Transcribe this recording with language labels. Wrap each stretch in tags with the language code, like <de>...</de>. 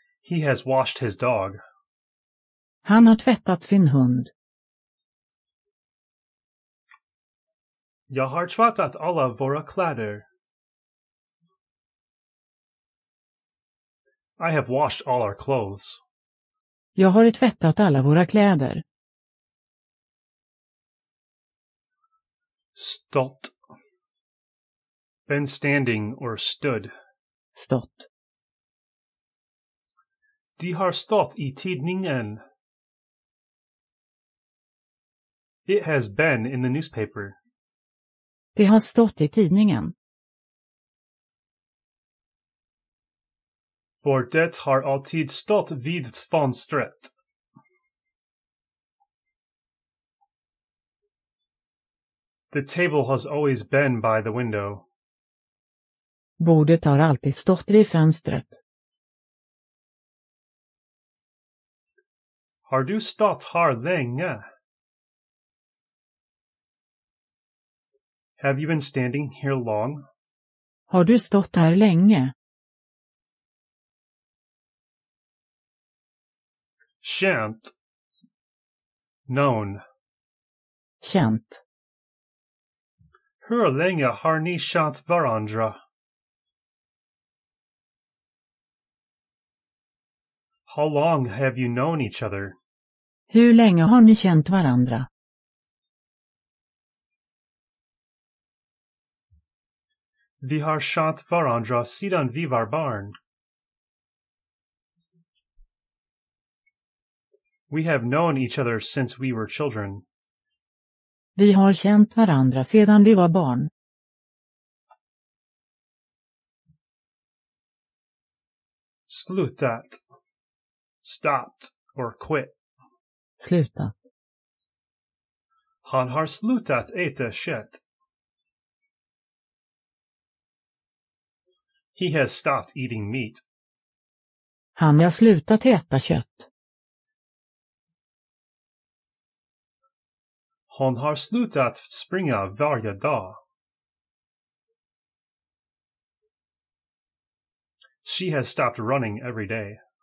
<en>He has washed his dog.</en> <sv>Han har tvättat sin hund. Jag har tvättat alla våra kläder.</sv> <en>I have washed all our clothes.</en> <sv>Jag har tvättat alla våra kläder. Stått.</sv> <en>Been standing or stood.</en> <sv>Stått. De har stått i tidningen.</sv> <en>It has been in the newspaper.</en> <sv>De har stått i tidningen. Bordet har alltid stått vid fönstret.</sv> <en>The table has always been by the window.</en> <sv>Bordet har alltid stått vid fönstret. Har du stått här länge?</sv> <en>Have you been standing here long?</en> <sv>Har du stått här länge? Känt.</sv> <en>Known.</en> <sv>Känt. Hur länge har ni känt varandra?</sv> <en>How long have you known each other?</en> <sv>Hur länge har ni känt varandra? Vi har känt varandra sedan vi var barn.</sv> <en>We have known each other since we were children.</en> <sv>Vi har känt varandra sedan vi var barn. Slutat.</sv> <en>Stopped or quit.</en> <sv>Sluta. Han har slutat äta kött.</sv> <en>He has stopped eating meat.</en> <sv>Han har slutat äta kött. Hon har slutat springa varje dag.</sv> <en>She has stopped running every day.</en>